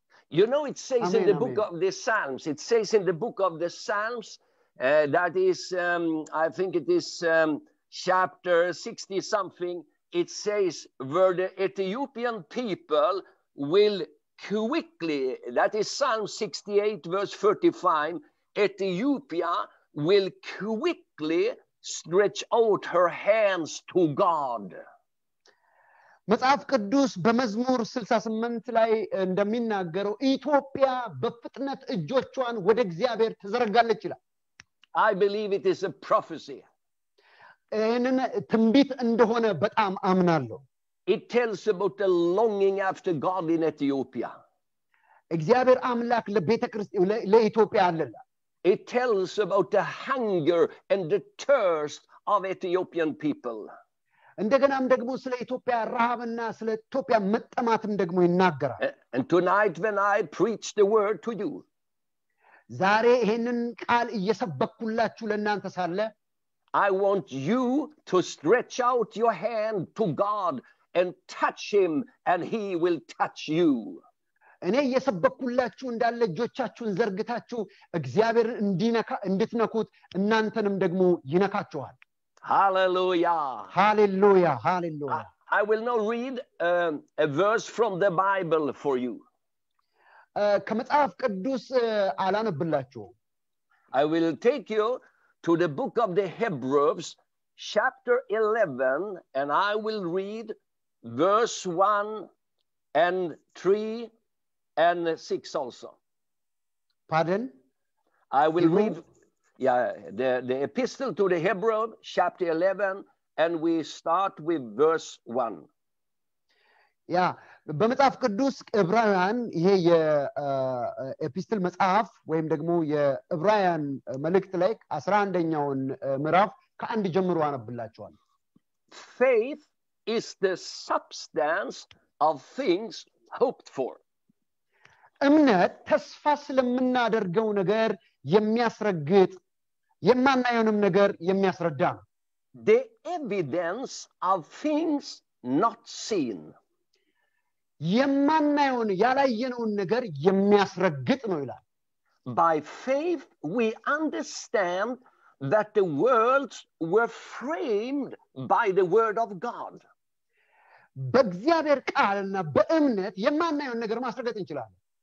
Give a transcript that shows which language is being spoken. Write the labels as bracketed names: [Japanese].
[English] you know it says amen, in the book amen. Of the Psalms it says in the book of the Psalms that is I think it is chapter 60 something it says where the Ethiopian people will quickly that is Psalm 68 verse 35 Ethiopia will quickly stretch out her hands to God [Amharic] መጽሐፍ ቅዱስ በመዝሙር 68 ላይ እንደሚናገረው ኢትዮጵያ በፍጥነት እጆቿን ወደ እግዚአብሔር ተዘረጋለች ይላል [English] I believe it is a prophecy [Amharic] እነ ትንቢት እንደሆነ በጣም አምናለሁ [English] it tells about the longing after God in Ethiopia [Amharic] እግዚአብሔር አምላክ ለቤተ ክርስቲያን ለኢትዮጵያ አለላ [English] it tells about the hunger and the thirst of Ethiopian people [Amharic] እንደገናም ደግሞ ስለ ኢትዮጵያ ረሃብና ስለ ኢትዮጵያ መጠማትም ደግሞ ይናገራል [English] and tonight when I preach the word to you [Amharic] ዛሬ ይሄንን ቃል እየሰበኩላችሁ ለእናንተ ሳለ [English] I want you to stretch out your hand to God and touch him and he will touch you. [Amharic] እኔ የሰበኩላችሁ እንዳለ እጆቻችሁን ዘርግታችሁ እግዚአብሔርን እንዲነካ እንድትነኩት እናንተንም ደግሞ ይነካችኋል. [English] Hallelujah. Hallelujah. Hallelujah. I will now read a verse from the Bible for you. [Amharic] ከመጽሐፍ ቅዱስ አላነብላችሁ. [English] I will take you to the book of the Hebrews chapter 11 and I will read verse 1 and 3 and 6 also pardon I will Hebrew? Read yeah the epistle to the Hebrews chapter 11 and we start with verse 1 [Amharic] yeah በመጽሐፍ ቅዱስ ዕብራውያን ይሄ የኤፒስትል መጽሐፍ ወይም ደግሞ የዕብራውያን መልእክት ላይ 11ኛውን ምዕራፍ ከአንድ ጀምሮ አነብላችኋለሁ [English] Faith is the substance of things hoped for [Amharic] እምነት ተስፋ ስለምናደርገው ነገር የሚያስረግጥ የማናየውንም ነገር የሚያስረዳ [English] The evidence of things not seen [Amharic] የማናየውን ያላየነውን ነገር የሚያስረግጥ ነው ይላል [English] by faith we understand that the worlds were framed by the word of god [Amharic] በእግዚአብሔር ቃልና በእምነት የማናየውን ነገር ማስረግጥ እንችላለን